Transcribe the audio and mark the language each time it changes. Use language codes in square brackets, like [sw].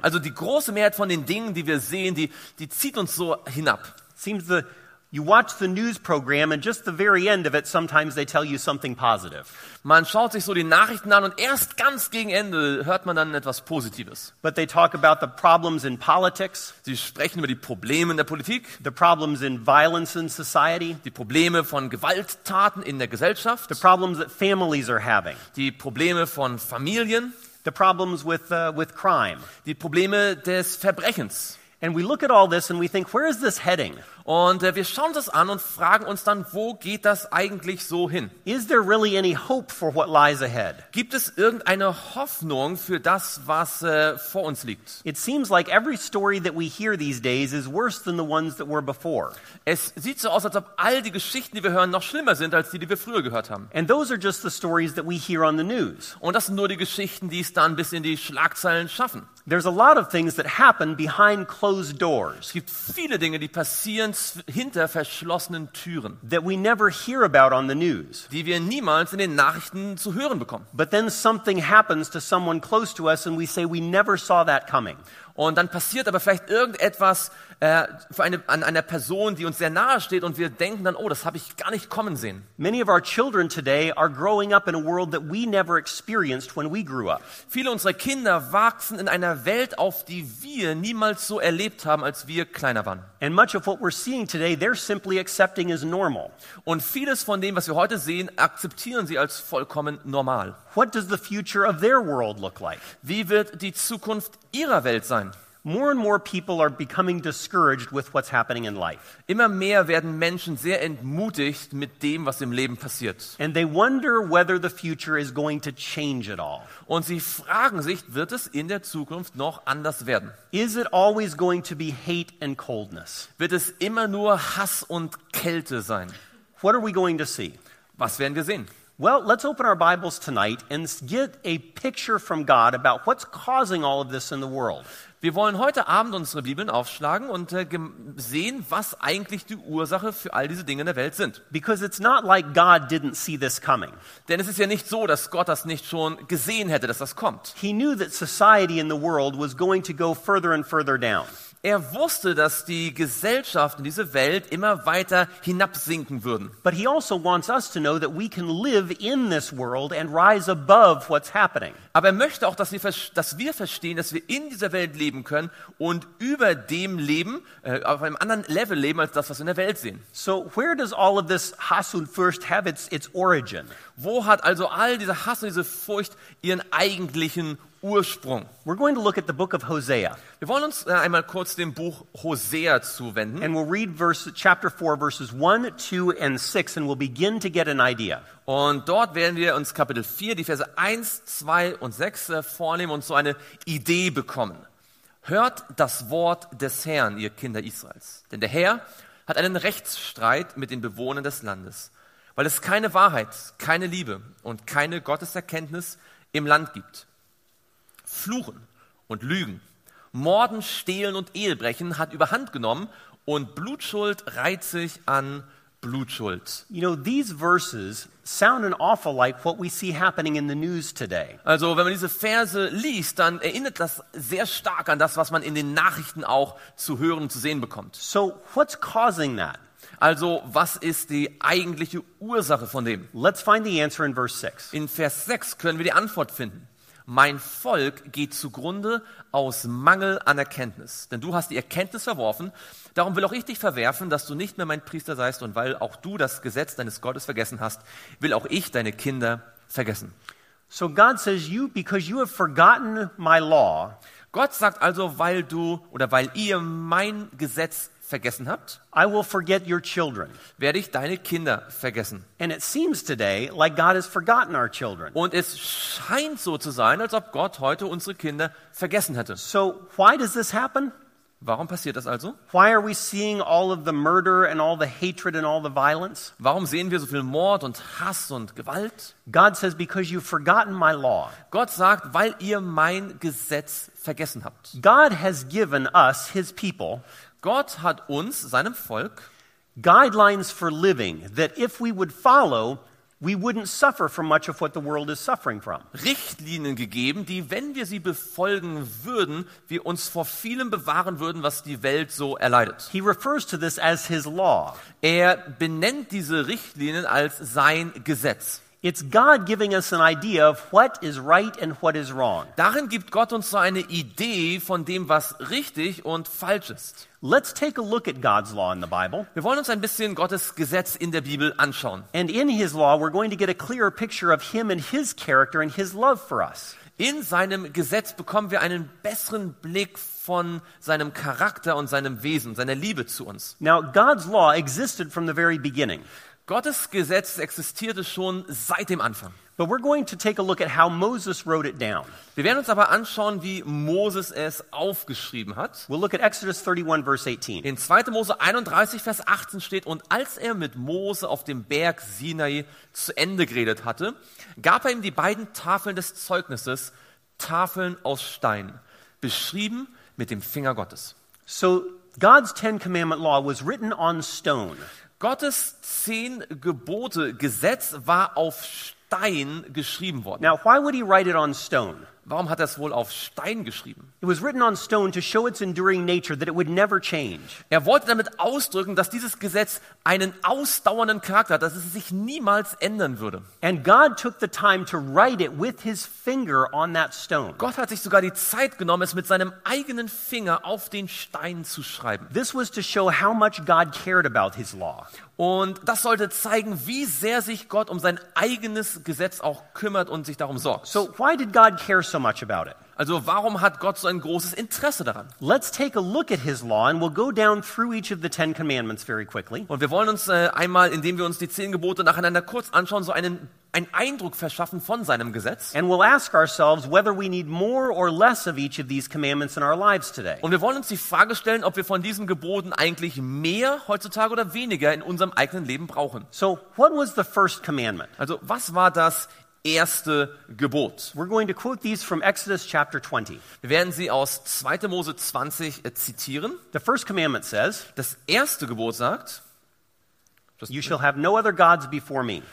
[de] Also die große Mehrheit von den Dingen, die wir sehen, die zieht uns so hinab. [en] Seems the you watch the news program and just the very end of it sometimes they tell you something positive. [de] Man schaut sich so die Nachrichten an und erst ganz gegen Ende hört man dann etwas Positives. [en] But they talk about the problems in politics. [de] Sie sprechen über die Probleme in der Politik. [en] The problems in violence in society. [de] Die Probleme von Gewalttaten in der Gesellschaft. [en] The problems that families are having. [de] Die Probleme von Familien. [en] The problems with crime. [de] Die Probleme des Verbrechens. [en] And we look at all this and we think, where is this heading? [de] Und wir schauen das an und fragen uns dann, wo geht das eigentlich so hin? [en] Is there really any hope for what lies ahead? [de] Gibt es irgendeine Hoffnung für das, was vor uns liegt? [en] It seems like every story that we hear these days is worse than the ones that were before. [de] Es sieht so aus, als ob all die Geschichten, die wir hören, noch schlimmer sind als die wir früher gehört haben. [en] And those are just the stories that we hear on the news. [de] Und das sind nur die Geschichten, die es dann bis in die Schlagzeilen schaffen. [en] There's a lot of things that happen behind closed doors. [de] Es gibt viele Dinge, die passieren hinter verschlossenen Türen. [en] That we never hear about on the news. [de] Die wir niemals in den Nachrichten zu hören bekommen. [en] But then something happens to someone close to us and we say we never saw that coming. [de] Und dann passiert aber vielleicht irgendetwas an einer Person, die uns sehr nahe steht und wir denken dann, oh, das habe ich gar nicht kommen sehen. [en] Many of our children today are growing up in a world that we never experienced when we grew up. [de] Viele unserer Kinder wachsen in einer Welt auf, die wir niemals so erlebt haben, als wir kleiner waren. [en] And much of what we're seeing today, they're simply accepting as normal. [de] Und vieles von dem, was wir heute sehen, akzeptieren sie als vollkommen normal. [en] What does the future of their world look like? [de] Wie wird die Zukunft ihrer Welt sein? [en] More and more people are becoming discouraged with what's happening in life. [de] Immer mehr werden Menschen sehr entmutigt mit dem, was im Leben passiert. [en] And they wonder whether the future is going to change at all. [de] Und sie fragen sich, wird es in der Zukunft noch anders werden? [en] Is it always going to be hate and coldness? [de] Wird es immer nur Hass und Kälte sein? [en] What are we going to see? [de] Was werden wir sehen? [en] Well, let's open our Bibles tonight and get a picture from God about what's causing all of this in the world. [de] Wir wollen heute Abend unsere Bibeln aufschlagen und sehen, was eigentlich die Ursache für all diese Dinge in der Welt sind. [en] Because it's not like God didn't see this coming. [de] Denn es ist ja nicht so, dass Gott das nicht schon gesehen hätte, dass das kommt. [en] He knew that society in the world was going to go further and further down. [de] Er wusste, dass die Gesellschaft und diese Welt immer weiter hinabsinken würden. [en] But he also wants us to know that we can live in this world and rise above what's happening. [de] Aber er möchte auch, dass wir verstehen, dass wir in dieser Welt leben können und über dem leben, auf einem anderen Level leben als das, was wir in der Welt sehen. [en] So where does all of this [de] Hass und Furcht [en] have its origin? [de] Wo hat also all dieser Hass und diese Furcht ihren eigentlichen Ursprung. [en] We're going to look at the book of Hosea. [de] Wir wollen uns einmal kurz dem Buch Hosea zuwenden. [en] And we'll read chapter 4, verses 1, 2 and 6 and we'll begin to get an idea. [de] Und dort werden wir uns Kapitel 4, die Verse 1, 2 und 6 vornehmen und so eine Idee bekommen. Hört das Wort des Herrn, ihr Kinder Israels. Denn der Herr hat einen Rechtsstreit mit den Bewohnern des Landes, weil es keine Wahrheit, keine Liebe und keine Gotteserkenntnis im Land gibt. Fluchen und Lügen, Morden, Stehlen und Ehebrechen hat überhand genommen und Blutschuld reiht sich an Blutschuld. [en] You know, these verses sound an awful like what we see happening in the news today. [de] Also, wenn man diese Verse liest, dann erinnert das sehr stark an das, was man in den Nachrichten auch zu hören und zu sehen bekommt. [en] So, what's causing that? [de] Also, was ist die eigentliche Ursache von dem? [en] Let's find the answer in verse 6. [de] In Vers 6 können wir die Antwort finden. Mein Volk geht zugrunde aus Mangel an Erkenntnis. Denn du hast die Erkenntnis verworfen. Darum will auch ich dich verwerfen, dass du nicht mehr mein Priester seist. Und weil auch du das Gesetz deines Gottes vergessen hast, will auch ich deine Kinder vergessen. [en] So God says, you, because you have forgotten my law. [de] Gott sagt also, weil du oder weil ihr mein Gesetz vergessen habt, [en] I will forget your children. [de] Werde ich deine Kinder vergessen. [en] And it seems today like God has forgotten our children. [de] Und es scheint so zu sein, als ob Gott heute unsere Kinder vergessen hätte. [en] So why does this happen? [de] Warum passiert das also? [en] Why are we seeing all of the murder and all the hatred and all the violence? [de] Warum sehen wir so viel Mord und Hass und Gewalt? [en] God says because you've forgotten my law. [de] Gott sagt, weil ihr mein Gesetz vergessen habt. [en] God has given us his people. [de] Gott hat uns, seinem Volk, [en] guidelines for living that if we would follow, we wouldn't suffer from much of what the world is suffering from. [de] Richtlinien gegeben, die, wenn wir sie befolgen würden, wir uns vor vielem bewahren würden, was die Welt so erleidet. [en] He refers to this as his law. [de] Er benennt diese Richtlinien als sein Gesetz. [en] It's God giving us an idea of what is right and what is wrong. [de] Darin gibt Gott uns so eine Idee von dem, was richtig und falsch ist. [en] Let's take a look at God's law in the Bible. [de] Wir wollen uns ein bisschen Gottes Gesetz in der Bibel anschauen. [en] And in his law we're going to get a clearer picture of him and his character and his love for us. [de] In seinem Gesetz bekommen wir einen besseren Blick von seinem Charakter und seinem Wesen, seiner Liebe zu uns. [en] Now God's law existed from the very beginning. [de] Gottes Gesetz existierte schon seit dem Anfang. [en] But we're going to take a look at how Moses wrote it down. [de] Wir werden uns aber anschauen, wie Moses es aufgeschrieben hat. [en] We'll look at Exodus 31 verse 18. [de] In 2. Mose 31 Vers 18 steht: Und als er mit Mose auf dem Berg Sinai zu Ende geredet hatte, gab er ihm die beiden Tafeln des Zeugnisses, Tafeln aus Stein, beschrieben mit dem Finger Gottes. [en] So God's Ten Commandment Law was written on stone. [de] Gottes 10 Gebote Gesetz war auf Stein geschrieben worden. [en] Now, why would he write it on stone? [de] Warum hat er es wohl auf Stein geschrieben? [en] It was written on stone to show its enduring nature, that it would never change. [de] Er wollte damit ausdrücken, dass dieses Gesetz einen ausdauernden Charakter hat, dass es sich niemals ändern würde. [en] And God took the time to write it with his finger on that stone. [de] Gott hat sich sogar die Zeit genommen, es mit seinem eigenen Finger auf den Stein zu schreiben. [en] This was to show how much God cared about his law. [de] Und das sollte zeigen, wie sehr sich Gott um sein eigenes Gesetz auch kümmert und sich darum sorgt. [en] So why did God care so much about it? [de] Also warum hat Gott so ein großes Interesse daran? [en] Let's take a look at his law and we'll go down through each of the Ten Commandments very quickly. [de] Und wir wollen uns einmal, indem wir uns die 10 Gebote nacheinander kurz anschauen, so einen Eindruck verschaffen von seinem Gesetz. [en] And we'll ask ourselves whether we need more or less of each of these commandments in our lives today. [de] Und wir wollen uns die Frage stellen, ob wir von diesen Geboten eigentlich mehr heutzutage oder weniger in unserem eigenen Leben brauchen. [en] So what was the first commandment? [de] Also was war das erste Gebot? [en] We're going to quote these from Exodus chapter 20. [de] Wir werden sie aus 2. Mose 20 zitieren. [en] The first commandment says, [de] das erste Gebot sagt, [en] you shall have no other gods before me.